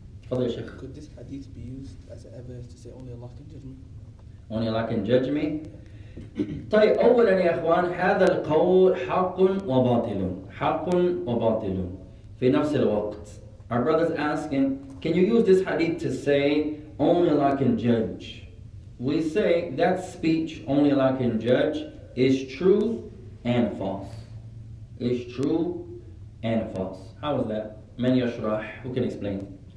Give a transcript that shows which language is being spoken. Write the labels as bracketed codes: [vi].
[en] Could this hadith be used as an evidence to say only Allah can judge me? Only Allah can judge me? [ar] طيب أولا يا أخوان هذا القول حق وباطل حق وباطل في نفس الوقت. [en] Our brother's asking, can you use this hadith to say only Allah can judge? We say that speech, only Allah can judge, is true and false. Is true and false. How is that? [ar] من يشرح? [en] Who can explain?